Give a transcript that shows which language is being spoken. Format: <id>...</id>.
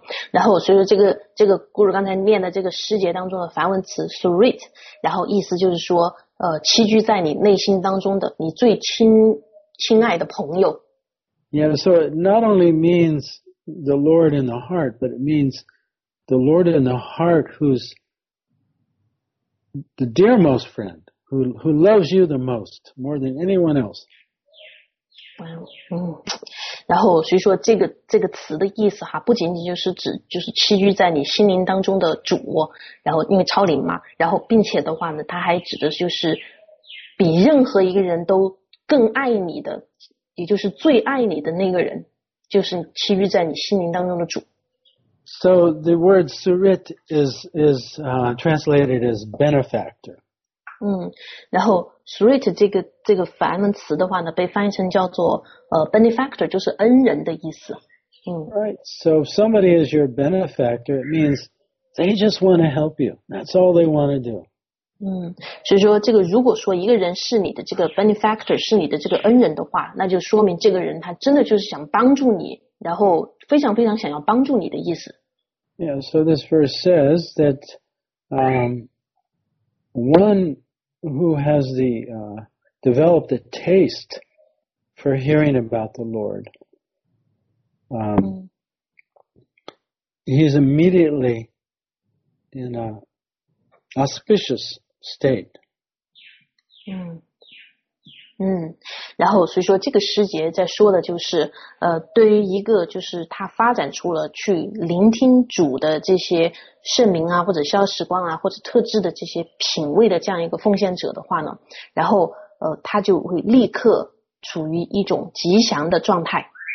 <zh>然后所以说这个古鲁刚才念的这个诗节当中的梵文词 Surit, 然后意思就是说栖居在你内心当中的你最亲爱的朋友。</zh> <en>Yeah, so it not only means the Lord in the heart, but it means... The Lord in the heart, who's the dearmost friend, who loves you the most, more than anyone else. Wow.</en> <zh>然后所以说这个词的意思哈，不仅仅就是指就是栖居在你心灵当中的主，然后因为超灵嘛，然后并且的话呢，它还指的就是比任何一个人都更爱你的，也就是最爱你的那个人，就是栖居在你心灵当中的主。</zh> <en>So the word surit is translated as benefactor.</en> <zh>然后 surit 这个梵文词的话呢，被翻译成叫做benefactor， 就是恩人的意思。</zh> <en>Right. So if somebody is your benefactor, it means they just want to help you. That's all they want to do.</en> <zh>所以说这个如果说一个人是你的这个 benefactor， 是你的这个恩人的话，那就说明这个人他真的就是想帮助你。然后非常非常想要帮助你的意思。</zh> <en>Yeah, so this verse says that one who has the developed a taste for hearing about the Lord, he's immediately in a auspicious state.</en> <zh>然后所以说这个诗节在说的就是对于一个就是他发展出了去聆听主的这些圣名啊或者消时光啊或者特质的这些品味的这样一个奉献者的话呢，然后他就会立刻处于一种吉祥的状态。</zh>